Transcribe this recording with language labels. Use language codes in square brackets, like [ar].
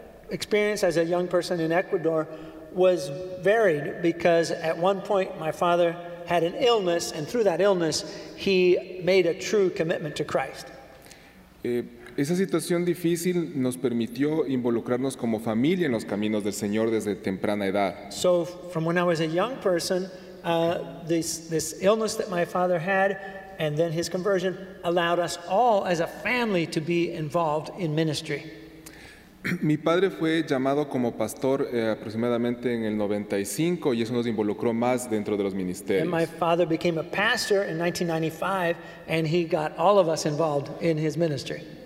[en] Experience as a young person in Ecuador was varied because at one point my father had an illness, and through that illness he made a true commitment to Christ. [es] Esa situación difícil nos permitió involucrarnos como familia en los caminos del Señor desde temprana edad. [en] So from when I was a young person, this illness that my father had and then his conversion allowed us all as a family to be involved in ministry. [es] Mi padre fue llamado como pastor aproximadamente en el 95 y eso nos involucró más dentro de los ministerios. [en] And my father became a pastor in 1995 and he got all of us involved in his ministry.